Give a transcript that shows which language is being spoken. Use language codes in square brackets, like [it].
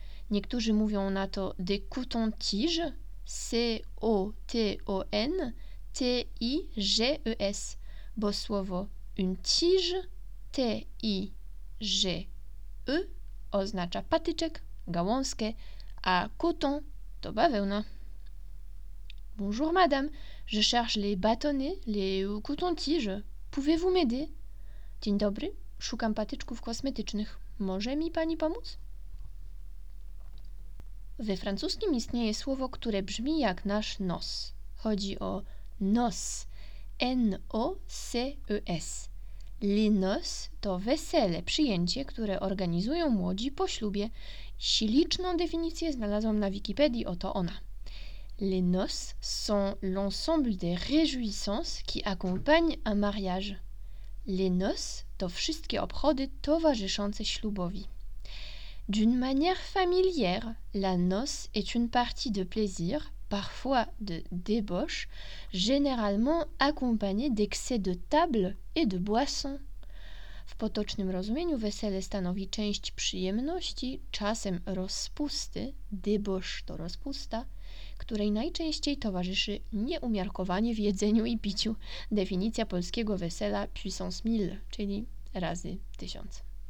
[pl] Niektórzy mówią na to des coutons-tiges. C-O-T-O-N-T-I-G-E-S. Bo słowo une tige, T-I-G-E, oznacza patyczek, gałązkę, a coton to bawełna. [fr] Bonjour madame, je cherche les bâtonnets, les coutons-tiges. Pouvez-vous m'aider? [pl] Dzień dobry, szukam patyczków kosmetycznych. Może mi pani pomóc? We francuskim istnieje słowo, które brzmi jak nasz nos. Chodzi o nos, N-O-C-E-S. Les noces to wesele, przyjęcie, które organizują młodzi po ślubie. Śliczną definicję znalazłam na Wikipedii, oto ona. [fr] Les noces sont l'ensemble des réjouissances qui accompagnent un mariage. [pl] Les noces to wszystkie obchody towarzyszące ślubowi. [fr] D'une manière familière, la noce est une partie de plaisir, parfois de débauche, généralement accompagnée d'excès de table et de boissons. [pl] W potocznym rozumieniu wesele stanowi część przyjemności, czasem rozpusty, débauche to rozpusta, której najczęściej towarzyszy nieumiarkowanie w jedzeniu i piciu. Definicja polskiego wesela [fr] puissance mille, [pl] czyli razy tysiąc.